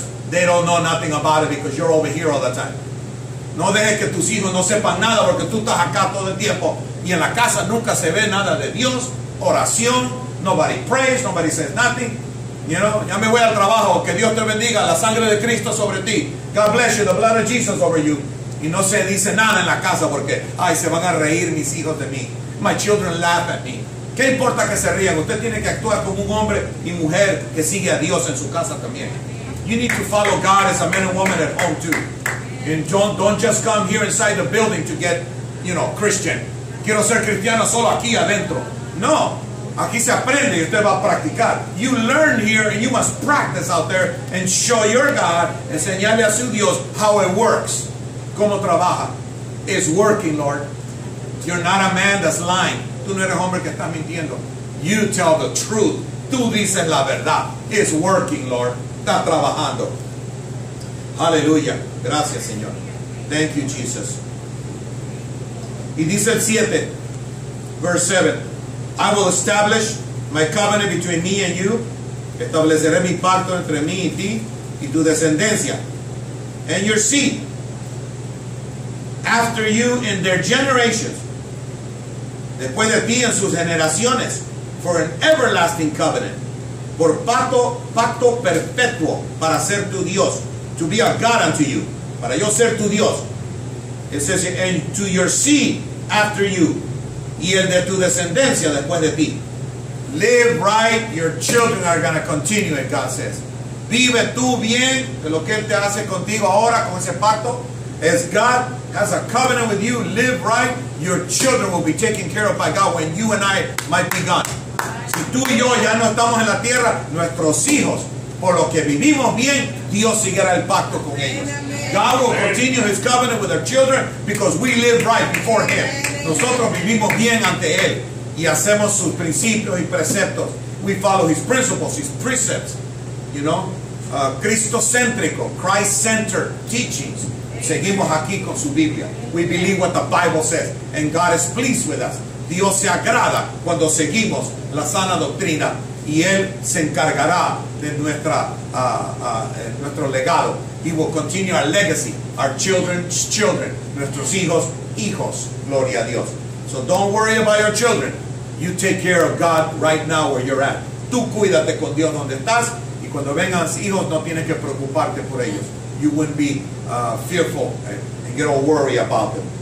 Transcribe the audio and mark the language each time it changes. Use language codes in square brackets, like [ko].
[en] They don't know nothing about it because you're over here all the time. [es] No dejes que tus hijos no sepan nada porque tú estás acá todo el tiempo y en la casa nunca se ve nada de Dios, oración, [en] nobody prays, nobody says nothing. [es] You know, ya me voy al trabajo, que Dios te bendiga, la sangre de Cristo sobre ti. [en] God bless you, the blood of Jesus over you. [es] Y no se dice nada en la casa porque, ay, se van a reír mis hijos de mí. [en] My children laugh at me. [es] ¿Qué importa que se rían? Usted tiene que actuar como un hombre y mujer que sigue a Dios en su casa también. [en] You need to follow God as a man and woman at home too. And don't just come here inside the building to get, you know, Christian. [es] Quiero ser cristiano solo aquí adentro. No. Aquí se aprende y usted va a practicar. [en] You learn here and you must practice out there and show your God, [es] enseñarle a su Dios [en] how it works. [es] Cómo trabaja. [en] It's working, Lord. You're not a man that's lying. [es] Tú no eres hombre que está mintiendo. [en] You tell the truth. [es] Tú dices la verdad. [en] It's working, Lord. [es] Está trabajando. Aleluya. Gracias, Señor. [en] Thank you, Jesus. [es] Y dice el 7, [en] verse 7. I will establish my covenant between me and you. [es] Estableceré mi pacto entre mí y ti y tu descendencia. [en] And your seed. After you in their generations. [es] Después de ti en sus generaciones. [en] For an everlasting covenant. [es] Por pacto perpetuo para ser tu Dios. [en] To be a God unto you. [es] Para yo ser tu Dios. [en] It says, and to your seed after you. [es] Y el de tu descendencia después de ti. [en] Live right, your children are going to continue, God says. [es] Vive tú bien, de lo que Él te hace contigo ahora con ese pacto. [en] As God has a covenant with you, live right, your children will be taken care of by God when you and I might be gone. [es] Si tú y yo ya no estamos en la tierra, nuestros hijos, por lo que vivimos bien, Dios seguirá el pacto con ellos. [en] God will continue His covenant with our children because we live right before Him. [es] Nosotros vivimos bien ante Él y hacemos sus principios y preceptos. [en] We follow His principles, His precepts. You know, Cristo-céntrico, Christ-centered teachings. [es] Seguimos aquí con su Biblia. [en] We believe what the Bible says. And God is pleased with us. [es] Dios se agrada cuando seguimos la sana doctrina. Y Él se encargará de nuestro legado. [en] He will continue our legacy, our children's children, [es] nuestros hijos, hijos, gloria a Dios. [en] So don't worry about your children. You take care of God right now where you're at. [es] Tú cuídate con Dios donde estás, y cuando vengan hijos, no tienes que preocuparte por ellos. [en] You wouldn't be fearful and get all worried about them.